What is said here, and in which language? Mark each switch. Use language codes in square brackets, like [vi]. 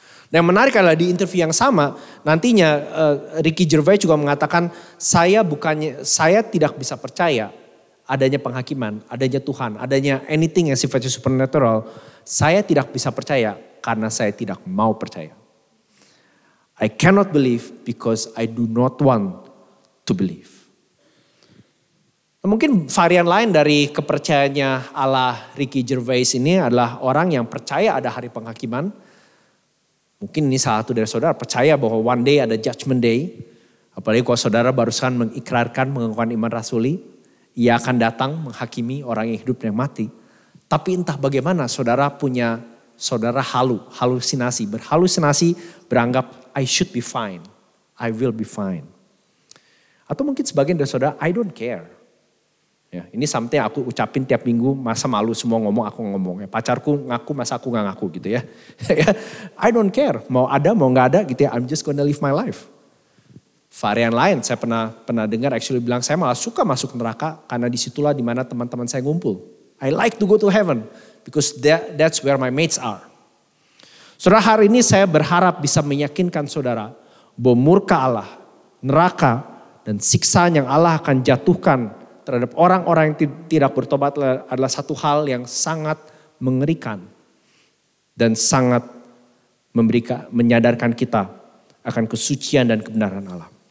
[id] Dan yang menarik adalah di interview yang sama, nantinya Ricky Gervais juga mengatakan, saya tidak bisa percaya adanya penghakiman, adanya Tuhan, adanya anything yang sifatnya supernatural, saya tidak bisa percaya karena saya tidak mau percaya. [en] I cannot believe because I do not want to believe. [id] Mungkin varian lain dari kepercayaannya ala Ricky Gervais ini adalah orang yang percaya ada hari penghakiman. Mungkin ini salah satu dari saudara percaya bahwa [en] one day [id] ada [en] judgment day. [id] Apalagi kalau saudara barusan mengikrarkan, mengakui iman rasuli, Ia akan datang menghakimi orang yang hidup dan yang mati. Tapi entah bagaimana saudara punya, saudara berhalusinasi beranggap [en] I should be fine, I will be fine. [id] Atau mungkin sebagian dari saudara, [en] I don't care. [id] Ya, ini something aku ucapin tiap minggu, masa malu semua ngomong, aku ngomong. Ya, pacarku ngaku, masa aku gak ngaku gitu ya. [en] I don't care, [id] mau ada, mau gak ada gitu ya, [en] I'm just gonna live my life. [id] Varian lain, saya pernah dengar actually bilang, saya malah suka masuk neraka karena disitulah dimana teman-teman saya ngumpul. [en] I like to go to heaven because that's where my mates are. [id] Saudara, hari ini saya berharap bisa meyakinkan saudara bahwa murka Allah, neraka dan siksaan yang Allah akan jatuhkan terhadap orang-orang yang tidak bertobat adalah satu hal yang sangat mengerikan dan sangat menyadarkan kita akan kesucian dan kebenaran Allah.